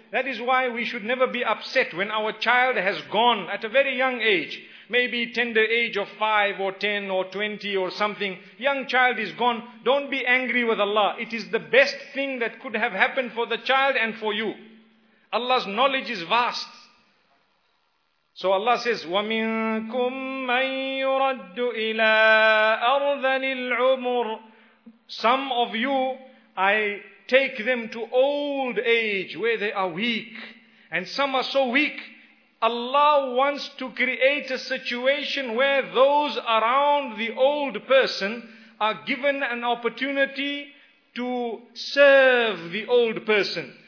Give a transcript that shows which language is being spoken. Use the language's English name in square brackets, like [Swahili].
[English] That is why we should never be upset when our child has gone at a very young age. Maybe tender age of 5 or 10 or 20 or something. Young child is gone. Don't be angry with Allah. It is the best thing that could have happened for the child and for you. Allah's knowledge is vast. So Allah says, [Arabic] وَمِنْكُمْ مَنْ يُرَدُّ إِلَىٰ أَرْذَلِ الْعُمُرِ. [English] Some of you, I take them to old age where they are weak. And some are so weak. Allah wants to create a situation where those around the old person are given an opportunity to serve the old person.